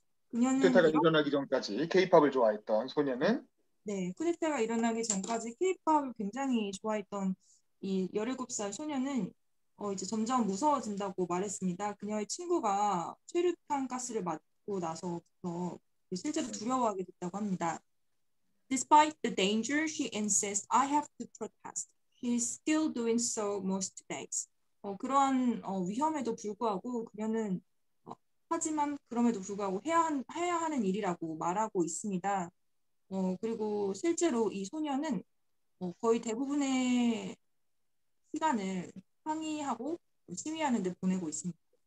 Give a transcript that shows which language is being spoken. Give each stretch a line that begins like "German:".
Korean: 쿠데타가 일어나기 전까지 K-POP을 좋아했던 소녀는 네, 쿠데타가 일어나기 전까지 K-POP을 굉장히 좋아했던 이 17살 소녀는 이제 점점 무서워진다고 말했습니다. 그녀의 친구가 최루탄 가스를 맞고 나서부터 실제로 두려워하게 됐다고 합니다.
English: Despite the danger, she insists I have to protest. She's still doing so most days.
Korean: 그러한 위험에도 불구하고 그녀는 하지만 그럼에도 불구하고 해야 하는 일이라고 말하고 있습니다. 그리고 실제로 이 소녀는 거의 대부분의 시간을 항의하고 시위하는 데 보내고 있습니다.